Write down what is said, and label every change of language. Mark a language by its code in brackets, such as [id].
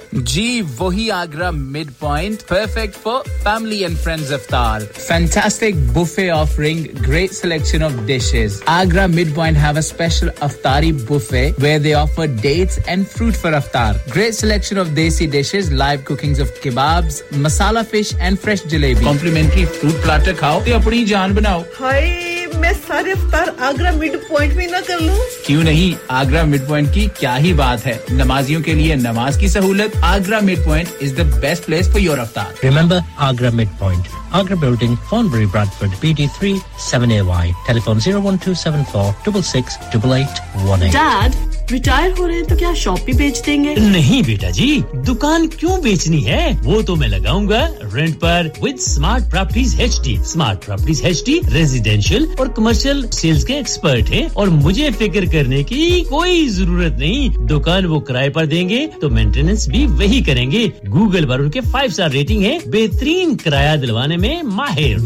[en] जी वही Agra mid point perfect for family and friends iftar fantastic buffet offering great selection of dishes Agra mid point have a special iftari buffet where they offer dates and fruit for iftar great selection of desi dishes live cookings of kebabs masala fish and fresh jalebi complimentary fruit platter [pa] खाओ ते अपनी जान बनाओ [hi] हाय मैं सारे इफ्तार Agra mid point में ना कर लूं क्यों नहीं [en] Agra mid point की क्या ही बात है नमाजियों के लिए नमाज की सहूलत Agra mid point is the best place for your iftar remember Agra mid point Agra Building, Thornbury, Bradford, BD3 7AY. Telephone 01274 66818. Dad, [hi] retire हो रहे हैं तो क्या शॉप भी बेच देंगे नहीं बेटा जी दुकान क्यों बेचनी है वो तो मैं लगाऊंगा रेंट पर with smart properties HD smart properties HD residential और कमर्शियल सेल्स के एक्सपर्ट हैं और मुझे फिक्र करने की कोई जरूरत नहीं दुकान वो किराए पर देंगे तो मेंटेनेंस भी वही करेंगे गूगल पर उनके 5 स्टार रेटिंग है बेहतरीन किराया दिलवाने में माहिर